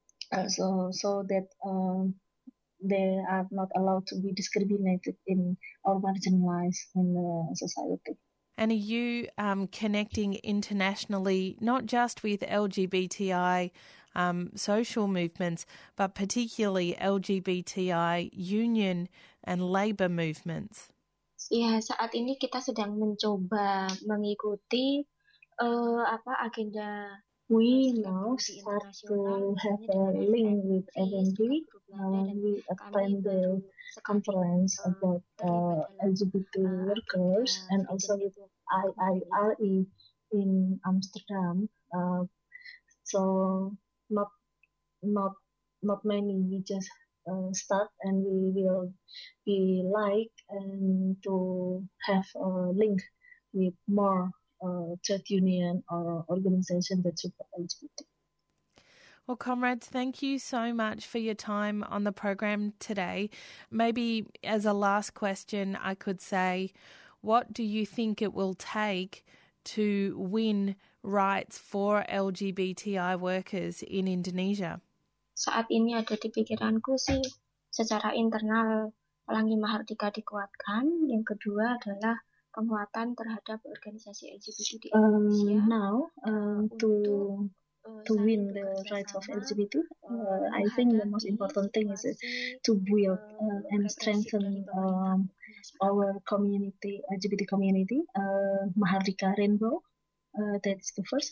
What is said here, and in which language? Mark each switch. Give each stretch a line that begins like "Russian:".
English: They are not allowed to be discriminated in or marginalized in the society. And are you connecting internationally, not just with LGBTI social movements, but particularly LGBTI union and labor movements?
Indonesian: Ya, saat ini kita sedang mencoba mengikuti agenda.
English: We now start to have a link with FNP, and we attend the conference about LGBT workers and also with IIRE in Amsterdam. So not many, we just start and we will be like and to have a link with more trade union or organization that support. Well, comrades, thank you so much for your time on the program today. Maybe as a last question, I could say, what do you think it will take to win rights for LGBTI workers in Indonesia?
Indonesian: Saat ini ada di pikiranku sih, secara internal Pelangi Mahardika dikuatkan. Yang kedua adalah penguatan terhadap organisasi LGBT di Indonesia.
English: Now, to win the rights of LGBT, I think the most important thing is to build and strengthen our community, LGBT community, Mahardika Rainbow. That's the first.